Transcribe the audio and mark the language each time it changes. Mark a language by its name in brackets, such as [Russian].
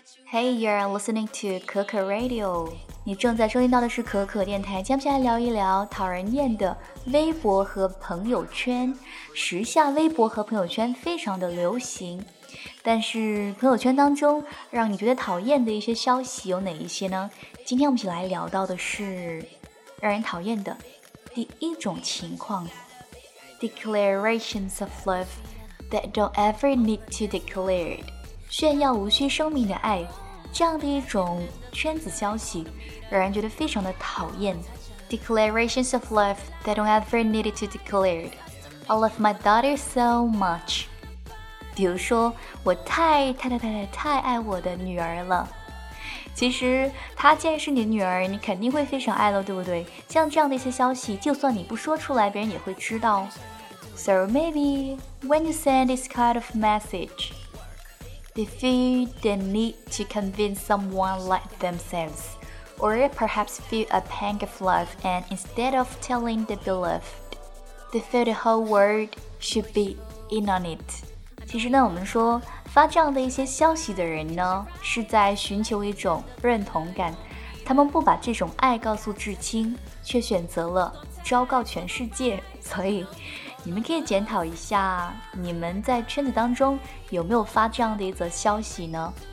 [English] Hey, you're listening to Coco Radio. [Chinese] 你正在收听到的是可可电台，接下来聊一聊讨人厌的微博和朋友圈。时下微博和朋友圈非常的流行，但是朋友圈当中让你觉得讨厌的一些消息有哪一些呢？今天我们一起来聊到的是让人讨厌的第一种情况， [English] Declarations of love that don't ever need to declare， [Chinese] 炫耀无需声明的爱，这样的一种圈子消息让人觉得非常的讨厌。 [English] Declarations of love that don't ever need to declare， I love my daughter so much， [Chinese] 比如说我太爱我的女儿了。其实她既然是你的女儿，你肯定会非常爱了，对不对？像这样的一些消息，就算你不说出来，别人也会知道。 [English] So maybe when you send this kind of messageThey feel the need to convince someone like themselves, or perhaps feel a pang of love, and instead of telling the beloved, they feel the whole world should be in on it. [Chinese] 其实呢，我们说发这样的一些消息的人呢，是在寻求一种认同感。他们不把这种爱告诉至亲，却选择了昭告全世界。所以你们可以检讨一下，你们在圈子当中有没有发这样的一则消息呢？